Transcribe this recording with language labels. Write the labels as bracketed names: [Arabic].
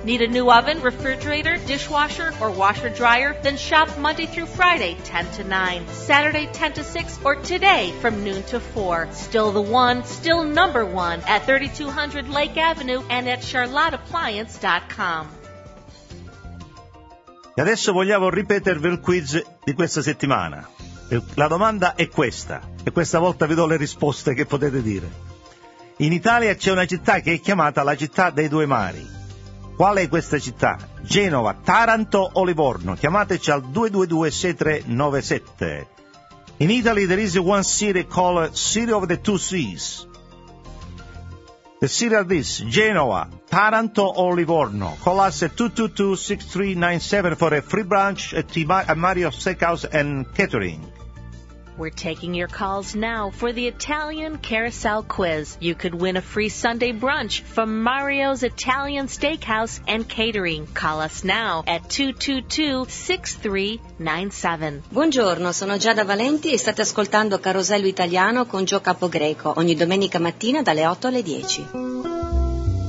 [English] Need a new oven, refrigerator, dishwasher, or washer dryer? Then shop Monday through Friday, 10 to 9, Saturday, 10 to 6, or today from noon to 4. Still the one, still number one at 3200 Lake Avenue and at charlotteappliance.com. [Italian] E adesso vogliamo ripetervi il quiz di questa settimana. La domanda è questa, e questa volta vi do le risposte che potete dire. In Italia c'è una città che è chiamata la città dei due mari. Qual è questa città? Genova, Taranto o Livorno? Chiamateci al 222-6397. [English] In Italy there is one city called City of the Two Seas. The city of this, Genova, Taranto or Livorno. Call us at 222-6397 for a free brunch at Mario Steakhouse and Catering. We're taking your calls now for the Italian Carousel Quiz. You could win a free Sunday brunch from Mario's Italian Steakhouse and Catering. Call us now at 222-6397. [Italian] Buongiorno, sono Giada Valenti e state ascoltando Carosello Italiano con Gio Capogreco ogni domenica mattina dalle 8 alle 10.